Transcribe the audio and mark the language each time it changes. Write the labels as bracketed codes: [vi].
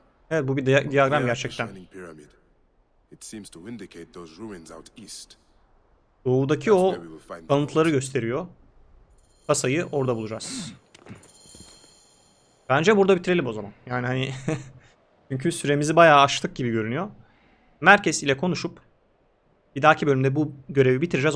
[tr] Evet, bu bir diagram gerçekten. [en] It seems to indicate those ruins out east. [tr] Doğudaki o kalıntıları gösteriyor. Kasayı orada bulacağız. Bence burada bitirelim o zaman. Yani hani çünkü süremizi bayağı aştık gibi görünüyor. Merkez ile konuşup bir dahaki bölümde bu görevi bitireceğiz.